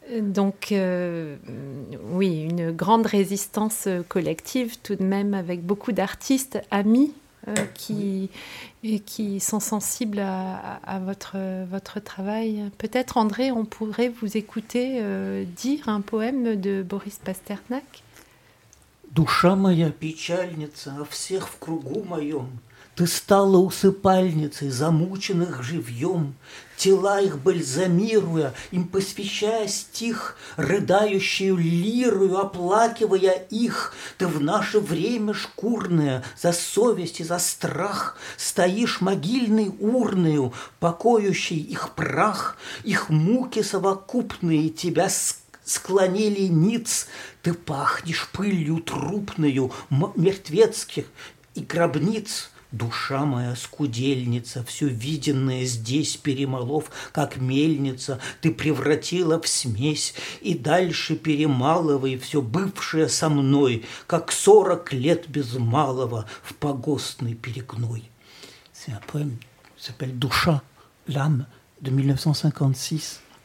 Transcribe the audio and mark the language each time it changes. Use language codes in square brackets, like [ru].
[fr] Donc, oui, une grande résistance collective, tout de même, avec beaucoup d'artistes amis qui sont sensibles à votre travail. Peut-être, André, on pourrait vous écouter dire un poème de Boris Pasternak. [ru] Душа моя печальница, а всех в кругу моем. Ты стала усыпальницей замученных живьем, тела их бальзамируя, им посвящая стих, рыдающую лирую, оплакивая их. Ты в наше время шкурное за совесть и за страх стоишь могильной урною, покоющей их прах, их муки совокупные тебя склонили ниц. Ты пахнешь пылью трупною мертвецких и гробниц. Душа моя скудельница, все виденное здесь перемолов, как мельница, ты превратила в смесь, и дальше перемалывай все бывшее со мной, как 40 лет без малого в погостный перегной. [fr] C'est un poème qui s'appelle Душа, l'âme, de 1956.